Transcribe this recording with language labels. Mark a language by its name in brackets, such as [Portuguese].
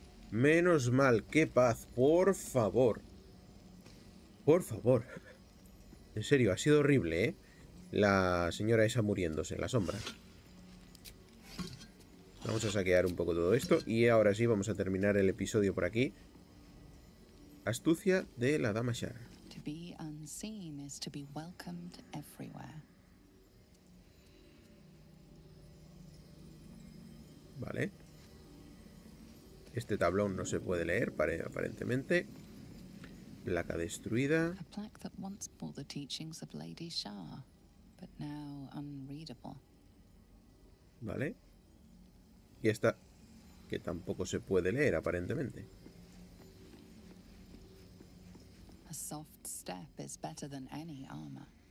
[Spanish] Menos mal, qué paz, por favor. Por favor. En serio, ha sido horrible, ¿eh? La señora esa muriéndose en la sombra. Vamos a saquear un poco todo esto. Y ahora sí, vamos a terminar el episodio por aquí. Astucia de la Dama Shara. [English] To be unseen is to be welcomed everywhere. [Spanish] Vale. Este tablón no se puede leer, aparentemente. Placa destruida. [English] A plaque that once bore the teachings of Lady Shara, but now unreadable. [Spanish] Vale. Y esta, que tampoco se puede leer, aparentemente. [English] A soft step is better than any armor.